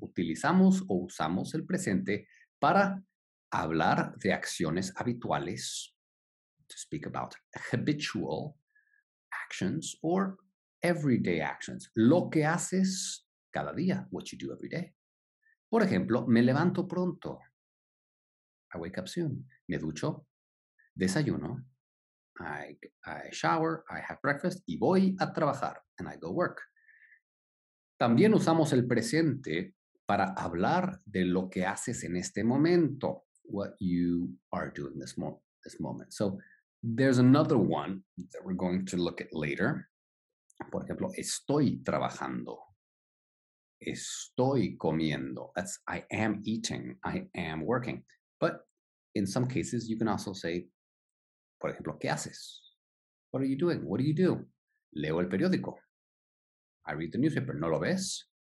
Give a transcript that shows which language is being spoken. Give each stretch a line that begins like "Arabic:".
Spanish: Utilizamos o usamos el presente para hablar de acciones habituales.
English: To speak about habitual actions or everyday actions.
Spanish: Lo que haces cada día.
English: What you do every day.
Spanish: Por ejemplo, me levanto pronto.
English: I wake up soon.
Spanish: Me ducho. Desayuno.
English: I shower. I have breakfast.
Spanish: Y voy a trabajar.
English: And I go work.
Spanish: También usamos el presente para hablar de lo que haces en este momento.
English: What you are doing this moment. So, there's another one that we're going to look at later.
Spanish: Por ejemplo, estoy trabajando. Estoy comiendo.
English: That's I am eating. I am working. But in some cases, you can also say,
Spanish: por ejemplo, ¿qué haces?
English: What are you doing? What do you do?
Spanish: Leo el periódico.
English: I read the newspaper.
Spanish: ¿No lo ves?